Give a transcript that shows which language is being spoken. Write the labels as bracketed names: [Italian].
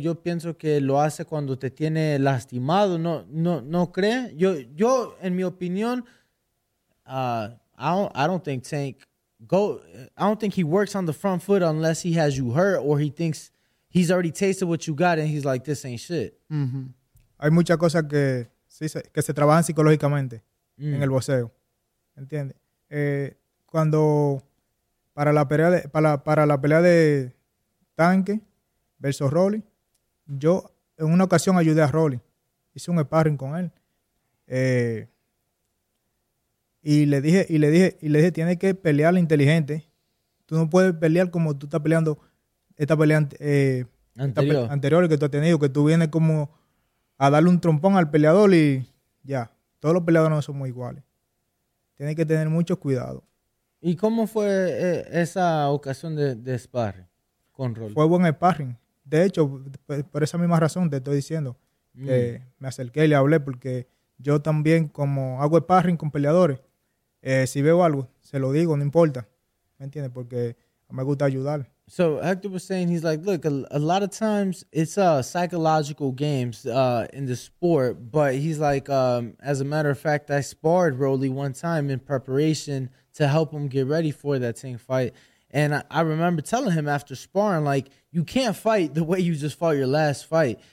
[Spanish] Yo pienso que lo hace cuando te tiene lastimado. No cree. Yo en mi opinión, [English] I don't think he works on the front foot unless he has you hurt or he thinks he's already tasted what you got, and he's like, this ain't shit. Mm-hmm. [Spanish] Hay muchas cosas que, sí, que se trabajan psicológicamente en el boxeo. ¿Entiendes? Cuando para la pelea de Tanque versus Rowley, yo en una ocasión ayudé a Rowley. Hice un sparring con él. Y le dije, tienes que pelear inteligente. Tú no puedes pelear como tú estás peleando esta pelea anterior que tú has tenido, que tú vienes como a darle un trompón al peleador y ya. Todos los peleadores no son muy iguales. Tienes que tener mucho cuidado. ¿Y cómo fue esa ocasión de sparring con Rolly? Fue buen sparring. De hecho, por esa misma razón te estoy diciendo que me acerqué y le hablé, porque yo también, como hago sparring con peleadores, si veo algo, se lo digo, no importa. ¿Me entiendes? Porque me gusta ayudar. [English] So Hector was saying, he's like, look, a lot of times it's psychological games in the sport. But he's like, as a matter of fact, I sparred Rowley one time in preparation to help him get ready for that Tank fight. And I remember telling him after sparring, like, you can't fight the way you just fought your last fight.